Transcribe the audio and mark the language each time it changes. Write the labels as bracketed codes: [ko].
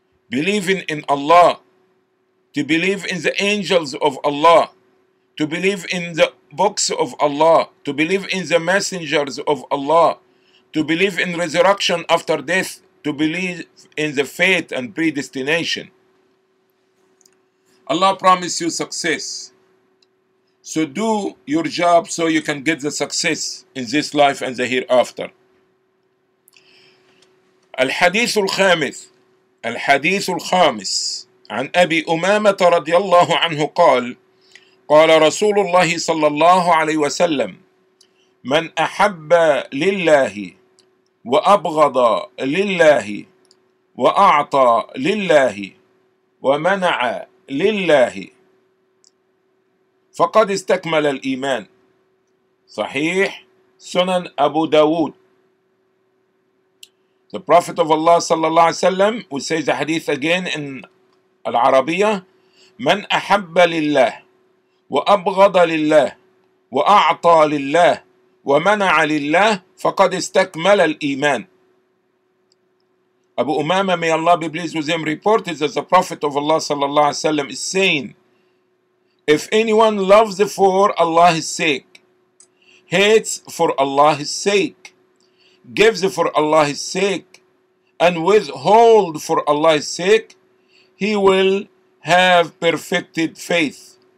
[en] Believing in Allah, to believe in the angels of Allah, to believe in the books of Allah, to believe in the messengers of Allah, to believe in resurrection after death, to believe in the fate and predestination. Allah promised you success. So do your job so you can get the success in this life and the hereafter. [ar] الحديث الخامس الحديث الخامس عن أبي أمامة رضي الله عنه قال قال رسول الله صلى الله عليه وسلم من أحب لله وأبغض لله وأعطى لله ومنع لله فقد استكمل الإيمان. صحيح سنن أبو داود. [en] The Prophet of Allah صلى الله عليه وسلم will say the hadith again in العربية. [ar] من أحب لله وأبغض لله وأعطى لله ومنع لله فقد استكمل الإيمان. [en] Abu Umama, may Allah be pleased with him, reported that the Prophet of Allah sallallahu alaihi wasallam is saying, If anyone loves for Allah's sake, hates for Allah's sake, gives for Allah's sake, and withhold for Allah's sake, he will have perfected faith.